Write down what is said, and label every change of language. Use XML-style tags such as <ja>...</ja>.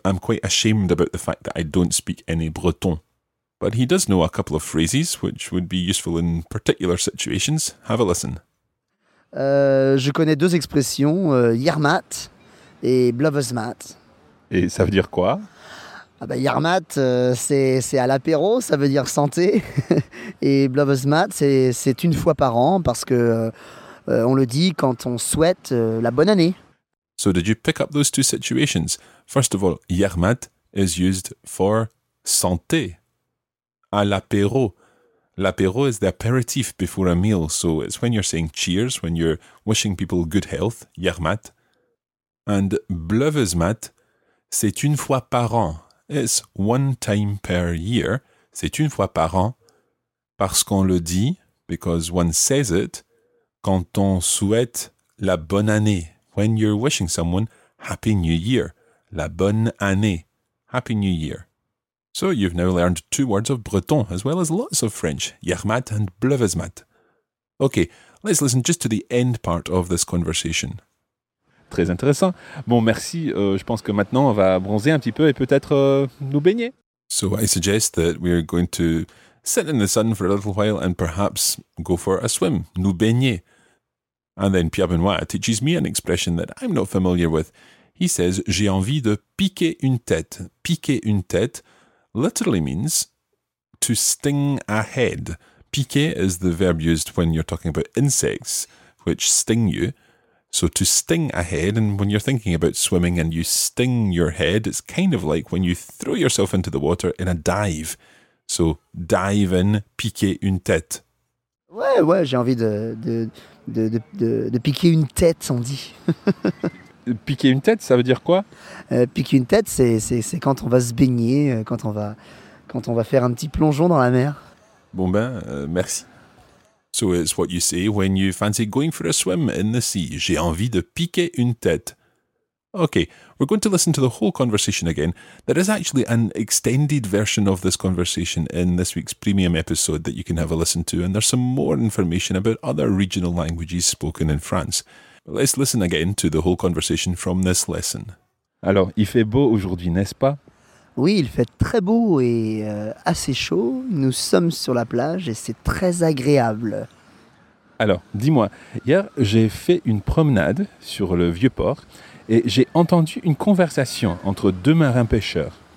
<en>I'm quite ashamed about the fact that I don't speak any breton. But he does know a couple of phrases which would be useful in particular situations. Have a listen.</en> <fr>Je connais deux expressions, Yermat et Blovesmat. Et ça veut dire quoi? Ah ben, Yermat, c'est à l'apéro, ça veut dire santé. Et Blovesmat, c'est une fois par an parce que on le dit quand on souhaite la bonne année.</fr> <en>So did you pick up those two situations? First of all, Yermat is used for</en> <fr>santé, à l'apéro.</fr> <en>L'apéro is the aperitif before a meal, so it's when you're saying cheers, when you're wishing people good health, Yermat.</en> <fr>And Blovesmat, c'est une fois par an.</fr> <en>It's one time per year,</en> <fr>c'est une fois par an, parce qu'on le dit,</fr> <en>because one says it,</en> <fr>quand on souhaite la bonne année,</fr> <en>when you're wishing someone Happy New Year,</en> <fr>la bonne année,</fr> <en>Happy New Year. So you've now learned two words of breton, as well as lots of French, Yermat and Blovesmat. Okay, let's listen just to the end part of this conversation.</en> <fr>Très intéressant. Bon, merci. Je pense que maintenant, on va bronzer un petit peu et peut-être nous baigner.</fr> <en>So I suggest that we're going to sit in the sun for a little while and perhaps go for a swim,</en> <fr>nous baigner.</fr> <en>And then Pierre-Benoît teaches me an expression that I'm not familiar with. He says,</en> <fr>j'ai envie de piquer une tête. Piquer une tête</fr> <en>literally means to sting a head. Piquer is the verb used when you're talking about insects, which sting you. So to sting a head, and when you're thinking about swimming and you sting your head, it's kind of like when you throw yourself into the water in a dive. So dive in,</en> <fr>piquer une tête. Ouais, ouais, j'ai envie de piquer une tête, on dit. Piquer une tête, ça veut dire quoi? Piquer une tête, c'est quand on va se baigner, quand on va faire un petit plongeon dans la mer. Bon ben, merci.</fr> <en>So it's what you say when you fancy going for a swim in the sea.</en> <fr>J'ai envie de piquer une tête.</fr> <en>Okay, we're going to listen to the whole conversation again. There is actually an extended version of this conversation in this week's premium episode that you can have a listen to, and there's some more information about other regional languages spoken in France. But let's listen again to the whole conversation from this lesson.</en> <fr>Alors, il fait beau aujourd'hui, n'est-ce pas? Oui, il fait très beau et assez chaud. Nous sommes sur la plage et c'est très agréable. Alors, dis-moi, hier, j'ai fait une promenade sur le vieux port. Et j'ai entendu une conversation entre deux marins pêcheurs.</fr>